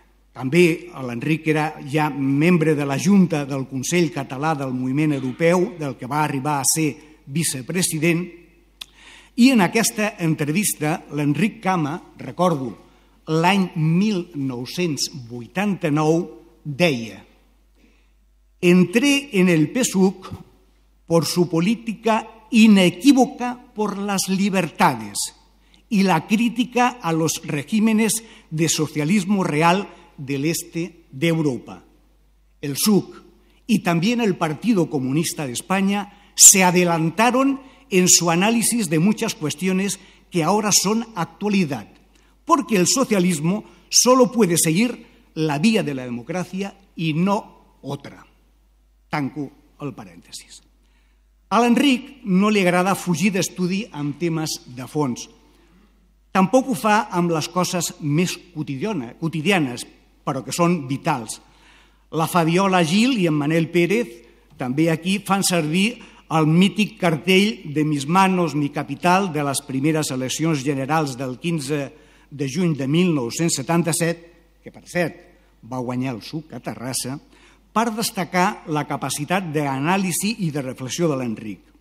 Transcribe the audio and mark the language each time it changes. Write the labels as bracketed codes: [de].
[ca] També l'Enric era ja membre de la Junta del Consell Català del Moviment Europeu, del que va arribar a ser vicepresident. I en aquesta entrevista l'Enric Cama, recordo, l'any 1989 deia: [es] entré en el PSUC por su política inequívoca por las libertades y la crítica a los regímenes de socialismo real del este de Europa. El SUC y también el Partido Comunista de España se adelantaron en su análisis de muchas cuestiones que ahora son actualidad, porque el socialismo solo puede seguir la vía de la democracia y no otra. [ca] Tanco el paréntesis. A l'Enric no li agrada fugir d'estudi amb temes de fons. Tampoc ho fa amb les coses més quotidianes, però que són vitals. La Fabiola Gil i en Manel Pérez, també aquí, fan servir el mític cartell de Mis manos, mi capital, de les primeres eleccions generals del 15 de juny de 1977, que per cert va guanyar el SUC a Terrassa, per destacar la capacitat d'anàlisi i de reflexió de l'Enric.